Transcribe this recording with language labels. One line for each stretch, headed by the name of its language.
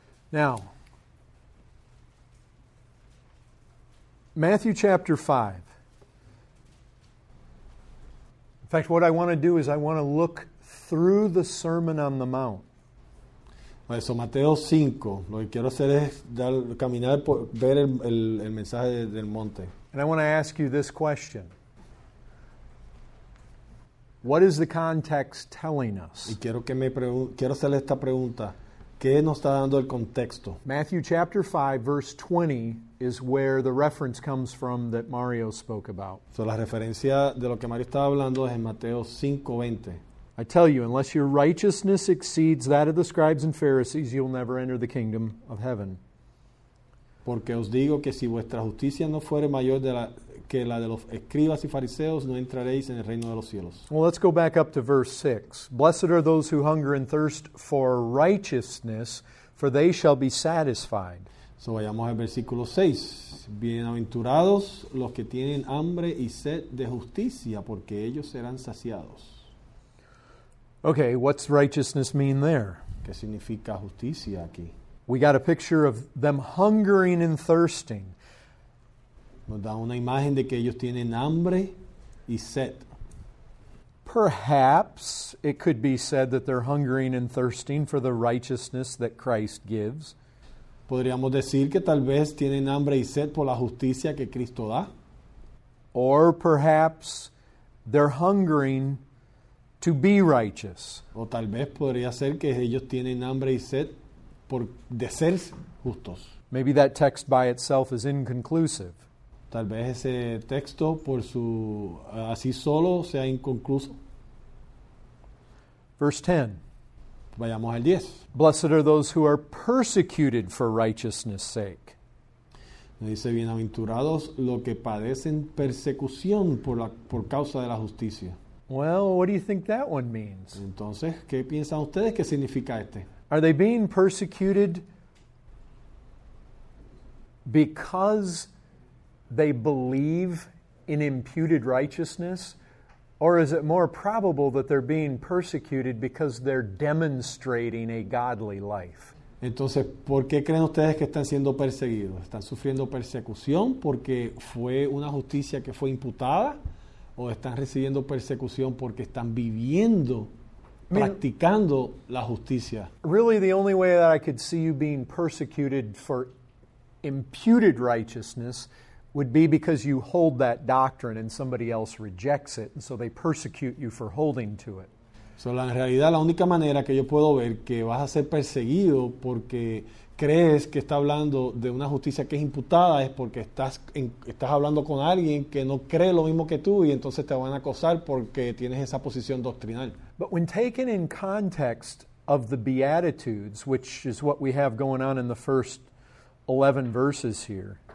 English: Now, Matthew chapter 5. In fact, what I want to do is I want to look through the Sermon on the Mount.
Spanish: Okay, so Mateo 5, lo que quiero hacer es caminar por ver el mensaje del monte.
English: And I want to ask you this question. What is the context telling us?
Spanish: Y quiero hacerle esta pregunta. ¿Qué nos está dando el contexto?
English: Matthew chapter 5, verse 20 is where the reference comes from that Mario spoke about.
Spanish: So la referencia de lo que Mario estaba hablando es en Mateo 5:20.
English: I tell you, unless your righteousness exceeds that of the scribes and Pharisees, you'll never enter the kingdom of heaven.
Spanish: Porque os digo que si vuestra justicia no fuere mayor que la de los escribas y fariseos, no entraréis en el reino de los cielos.
English: Well, let's go back up to verse 6. Blessed are those who hunger and thirst for righteousness, for they shall be satisfied.
Spanish: So vayamos al versículo 6. Bienaventurados los que tienen hambre y sed de justicia, porque ellos serán saciados.
English: Okay, what's righteousness mean there?
Spanish: ¿Qué significa justicia aquí?
English: We got a picture of them hungering and thirsting.
Spanish: Nos da una imagen de que ellos tienen hambre y sed.
English: Perhaps it could be said that they're hungering and thirsting for the righteousness that Christ gives.
Spanish: Podríamos decir que tal vez tienen hambre y sed por la justicia que Cristo da.
English: Or perhaps they're hungering to be righteous.
Spanish: O tal vez podría ser que ellos tienen hambre y sed por de ser justos.
English: Maybe that text by itself is inconclusive.
Spanish: Tal vez ese texto por su así solo sea inconcluso.
English: Verse 10.
Spanish: Vayamos al 10.
English: Blessed are those who are persecuted for righteousness' sake.
Spanish: Dice, bienaventurados los que padecen persecución por causa de la justicia.
English: Well, what do you think that one means?
Spanish: Entonces, ¿qué piensan ustedes que significa este?
English: Are they being persecuted because they believe in imputed righteousness? Or is it more probable that they're being persecuted because they're demonstrating a godly life?
Spanish: Entonces, ¿por qué creen ustedes que están siendo perseguidos? ¿Están sufriendo persecución porque fue una justicia que fue imputada? ¿O están recibiendo persecución porque están viviendo, practicando la justicia?
English: Really, the only way that I could see you being persecuted for imputed righteousness would be because you hold that doctrine and somebody else rejects it, and so they persecute you for holding to it.
Spanish: So, en realidad, la única manera que yo puedo ver que vas a ser perseguido porque crees que está hablando de una justicia que es imputada es porque estás hablando con alguien que no cree lo mismo que tú y entonces te van a acosar porque tienes esa posición doctrinal.
English: But when taken in context of the Beatitudes, which is what we have going on in the first 11 verses here,